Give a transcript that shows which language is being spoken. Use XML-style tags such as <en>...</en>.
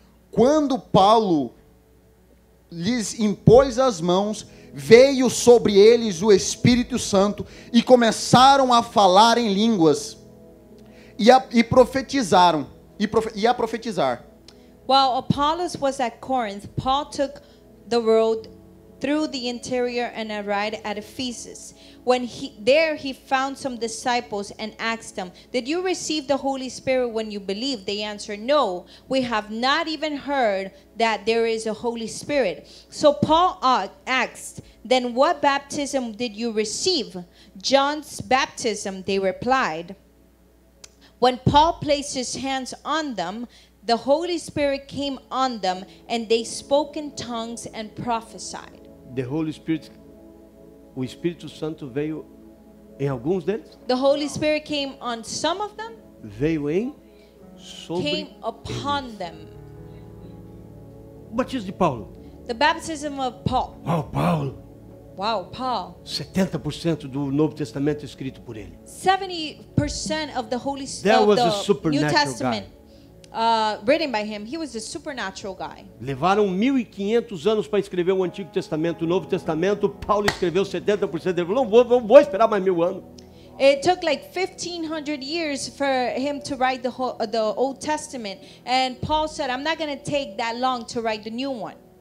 <pt>Quando Paulo lhes impôs as mãos, veio sobre eles o Espírito Santo e começaram a falar em línguas e a profetizar.</pt> <en>While Apollos was at Corinth, Paul took the road through the interior and arrived at Ephesus. There he found some disciples and asked them, did you receive the Holy Spirit when you believed? They answered, no, we have not even heard that there is a Holy Spirit. So Paul asked, then what baptism did you receive? John's baptism, they replied. When Paul placed his hands on them, the Holy Spirit came on them, and they spoke in tongues and prophesied. The Holy Spirit,</en> <pt>o Espírito Santo veio em alguns deles?</pt> <en>The Holy Spirit came on some of them.</en> <pt>Veio em sobre</pt> <en>came upon</en> <pt>eles.</pt> <en>Them.</en> <pt>O batismo de Paulo.</pt> <en>The baptism of Paul.</en> <pt>Uau, Paulo.</pt> <en>Wow, Paul.</en> <pt>70% do Novo Testamento escrito por ele.</pt> <en>70% of the Holy Spirit of the New Testament. Guy. Written by him, he was a supernatural guy.</en> <pt>Levaram 1500 anos para escrever o Antigo Testamento, o Novo Testamento. Paulo escreveu 70%. Ele falou: não vou esperar mais 1000 anos.</pt> <en>It took like 1500 years for him to write the Old Testament, and Paul said, I'm not going to take that long to write the new one.</en>